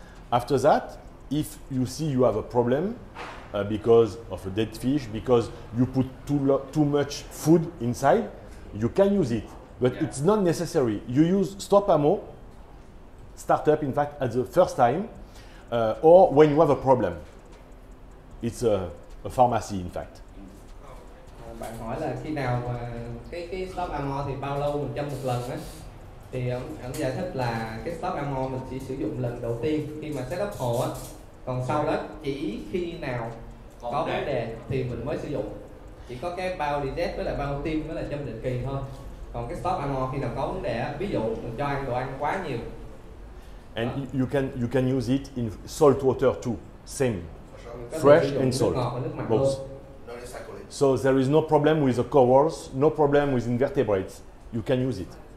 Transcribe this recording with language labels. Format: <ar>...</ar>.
<en>After that, if you see you have a problem because of a dead fish, because you put too much food inside, you can use it. But yeah. It's not necessary. You use stop ammo, start up, in fact, at the first time, or when you have a problem. It's a pharmacy, in fact.</en> <vi>Bạn hỏi là khi nào cái stop ammo thì bao lâu mình châm một lần á? Thì ông giải thích là cái stop ammo mình chỉ sử dụng lần đầu tiên khi mà set up hồ á. Còn sau đó chỉ khi nào có vấn đề thì mình mới sử dụng. chỉ có cái bao digest với lại bao tim mới là châm định kỳ thôi. Còn cái stop ammo khi nào có vấn đề, ví dụ mình cho ăn đồ ăn quá nhiều.</vi> <en>And you can use it in salt water too, same, fresh and salt, both. So there is no problem with the corals, no problem with invertebrates. You can use it.</en>